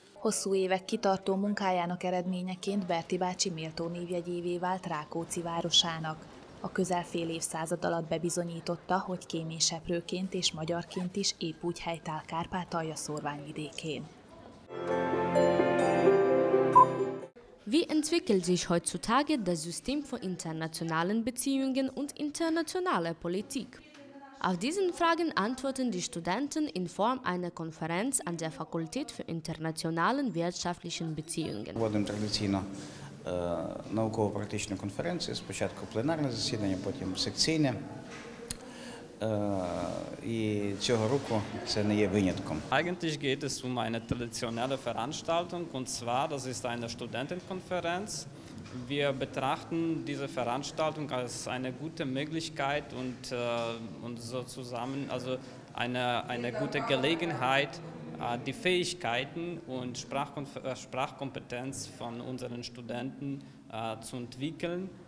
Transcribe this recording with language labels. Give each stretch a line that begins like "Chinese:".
Hungarian: Hosszú évek kitartó munkájának eredményeként Berti bácsi méltó névjegyévé vált Rákóczi városának. A közel fél évszázad alatt bebizonyította, hogy kéményseprőként és magyarként is épp úgy helytáll Kárpátalja szórványvidékén.
German: Wie entwickelt sich heutzutage das System von internationalen Beziehungen und internationaler Politik? Auf diesen Fragen antworten die Studenten in Form einer Konferenz an der Fakultät für internationalen wirtschaftlichen Beziehungen.
Ukrainian: Науково-практичної конференції, спочатку пленарне засідання, потім секційне. І цього року це не є винятком.
German: Eigentlich geht es um eine traditionelle Veranstaltung, und zwar, das ist eine Studentenkonferenz. Wir betrachten diese Veranstaltung als eine gute Möglichkeit und so zusammen, also eine gute Gelegenheit, die Fähigkeiten und Sprachkompetenz von unseren Studenten zu entwickeln.